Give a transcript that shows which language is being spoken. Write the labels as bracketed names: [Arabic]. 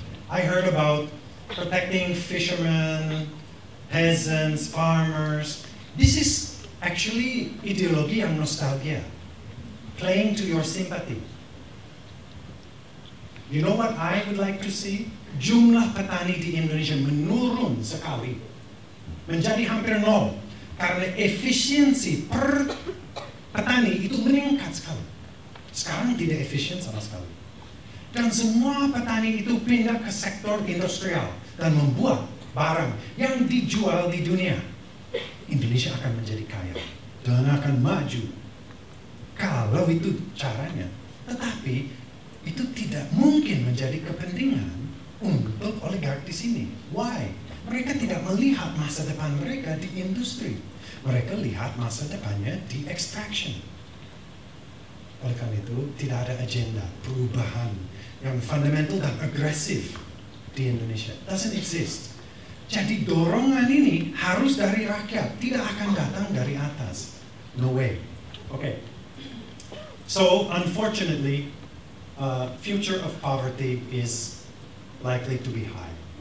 [English] I heard about protecting fishermen, peasants, farmers. This is actually [Indonesian] ideologi yang nostalgia. [English] Playing to your sympathy. You know what I would like to see? [Indonesian] Jumlah petani di Indonesia menurun sekali. Menjadi hampir nol. Karena efisiensi per petani itu meningkat sekali. Sekarang tidak efisien sama sekali. Dan semua petani itu pindah ke sektor industrial dan membuat barang yang dijual di dunia. Indonesia akan menjadi kaya dan akan maju. Kalau itu caranya. Tetapi itu tidak mungkin menjadi kepentingan untuk oligarki di sini. [English] Why? [Indonesian] Mereka tidak melihat masa depan mereka di industri. Mereka lihat masa depannya di extraction. Oleh karena itu, tidak ada agenda perubahan yang fundamental dan agresif di Indonesia. [English] Doesn't exist. [Indonesian] Jadi dorongan ini harus dari rakyat. Tidak akan datang dari atas. [English] No way. Okay. So, unfortunately, future of poverty is likely to be high.